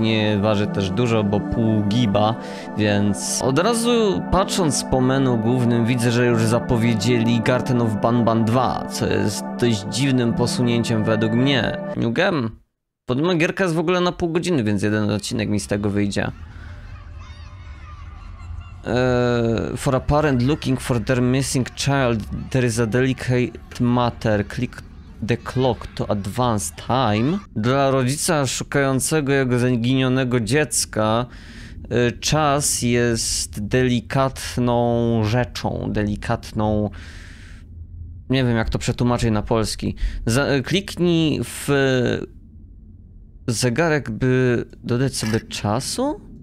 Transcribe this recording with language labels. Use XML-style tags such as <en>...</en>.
<pl>Nie waży też dużo, bo pół giba, więc od razu patrząc po menu głównym widzę, że już zapowiedzieli Garden of Banban 2, co jest dość dziwnym posunięciem według mnie.</pl> <en>New game?</en> <pl>Podobno gierka jest w ogóle na pół godziny, więc jeden odcinek mi z tego wyjdzie.</pl> <en>For a parent looking for their missing child, there is a delicate matter. Click the clock to advance time.</en> <pl>Dla rodzica szukającego jego zaginionego dziecka, czas jest delikatną rzeczą, delikatną... Nie wiem, jak to przetłumaczyć na polski. Kliknij w zegarek, by dodać sobie czasu?</pl>